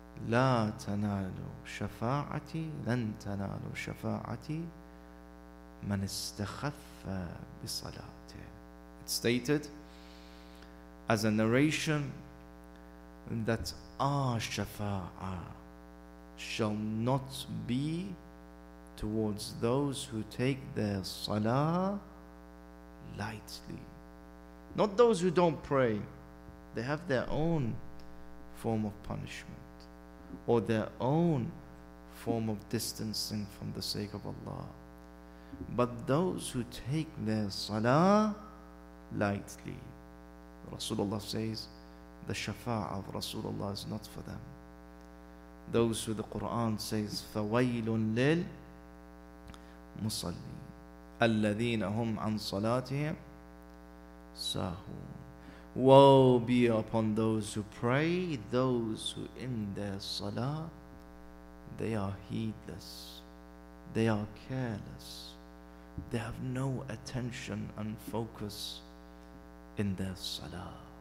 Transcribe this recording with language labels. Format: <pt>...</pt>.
<ar>لا تنالوا شفاعتي لن تنالوا شفاعتي من استخف بصلاته.</ar> <en>It's stated as a narration that our shafa'a shall not be towards those who take their salah lightly. Not those who don't pray. They have their own form of punishment or their own form of distancing from the sake of Allah. But those who take their salah lightly, Rasulullah says, the shafa'ah of Rasulullah is not for them. Those who the Quran says,</en> <ar>فَوَيْلٌ لِلْ مصلين الذين هم عن صلاتهم ساهون.</ar> <en>Woe be upon those who pray, those who in their salah, they are heedless, they are careless, they have no attention and focus in their salah.</en>